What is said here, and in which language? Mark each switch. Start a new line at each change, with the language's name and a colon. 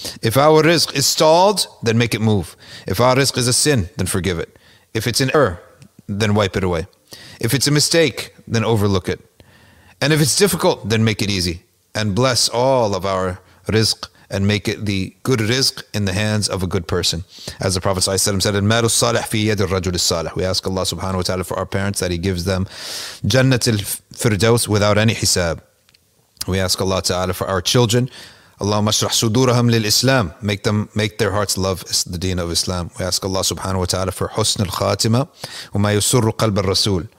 English: If our rizq is stalled, then make it move. If our rizq is a sin, then forgive it. If it's an error, then wipe it away. If it's a mistake, then overlook it. And if it's difficult, then make it easy. And bless all of our rizq, and make it the good rizq in the hands of a good person.
Arabic: As the Prophet said, المال الصالح في يد الرجل الصالح.
English: We ask Allah Subhanahu Wa Ta'ala for our parents, that He gives them Jannat al-Firdaus without any hisab. We ask Allah Ta'ala for our children.
Arabic: Allahumma shrah sudurahum lil Islam.
English: Make their hearts love the deen of Islam. We ask Allah Subhanahu Wa Ta'ala for
Arabic: husn al khatima wa ma yusurru qalb al rasul.